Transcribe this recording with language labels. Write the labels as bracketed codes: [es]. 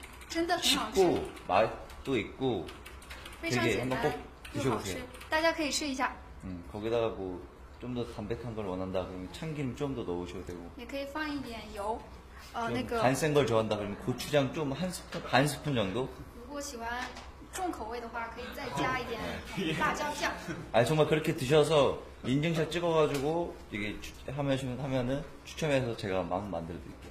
[ko] 쉽고 맛도 있고 되게 한번 꼭 드셔보세요. [zh] 大家可以试一下. [ko] 거기다가 뭐 좀 더 담백한 걸 원한다 그러면 참기름 좀 더 넣으셔도 되고. [zh] 也可以放一点油. [ko] 간 센 걸 좋아한다 그러면 고추장 좀 한 스푼 반 스푼 정도. [zh] 如果喜欢重口味的话，可以再加一点辣椒酱. [ko] 아니 정말 그렇게 드셔서 인증샷 찍어가지고 이게 하면은 추첨해서 제가 마음 만들어드릴게요.